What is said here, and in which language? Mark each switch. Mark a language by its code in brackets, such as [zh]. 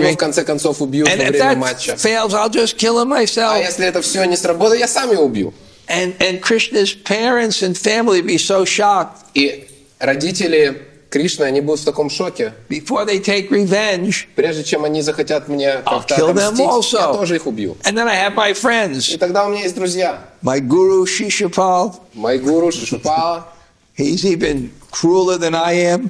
[ru] Они его, в конце концов, убьют во время матча. [en] Fails, I'll just kill him myself. [ru] А если это все не сработает, я сам его убью. [en] And Krishna's parents and family be so shocked. [ru] И родители Кришны, они будут в таком шоке. [en] Before they take revenge, [ru] прежде чем они захотят мне как-то отомстить, я тоже их убью. [en] And then I have my friends. [ru] И тогда у меня есть друзья. [en] My guru Shishupal. My guru Shishupal. He's even crueler than I am.